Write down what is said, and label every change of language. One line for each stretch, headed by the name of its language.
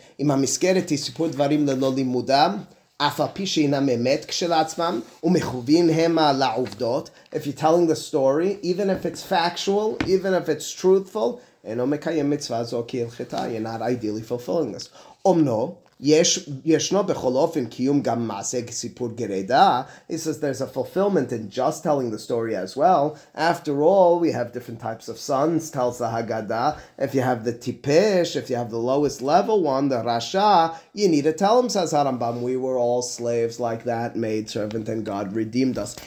Hebrew: Im ha-miskeret hi sipur dvarim lelo limudam, אף על פי שאינם אמת כשלעצמם, ומכוונים הם לעובדות.
English: If you're telling the story, even if it's factual, even if it's truthful,
Hebrew: אינו מקיים מצווה זו כהלכתה,
English: you're not ideally fulfilling this.
Hebrew: אומנו, ישנו בכל אופן קיום גם מעשה סיפור גרידה.
English: He says there's a fulfillment in just telling the story as well. After all, we have different types of sons, tells the Haggadah. If you have the tipesh, if you have the lowest level one, the rasha, you need to tell him, says Harambam, we were all slaves like that, made servant, and God redeemed us.